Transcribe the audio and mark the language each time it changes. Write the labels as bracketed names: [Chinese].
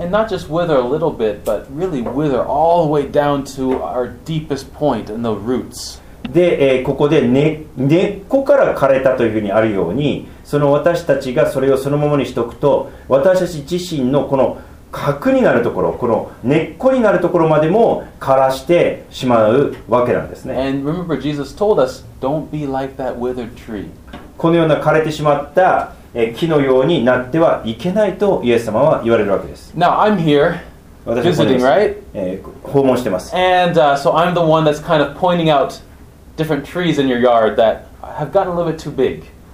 [English] And not just wither a little bit, but really wither all the way down to our deepest point in the roots. [Japanese] で、ここで根っこから枯れたというふうにあるように、その私たちがそれをそのままにしておくと、私たち自身のこの核になるところ、この根っこになるところまでも枯らしてしまうわけなんですね。 [English] And remember, Jesus told us, don't be like that withered tree. [Japanese] このような枯れてしまった木のようになってはいけないとイエス様は言われるわけです。 [English] Now I'm here, visiting, right? [Japanese] 訪問してます。 [English] And so I'm the one that's kind of pointing out different trees in your yard that have gotten a little bit too big.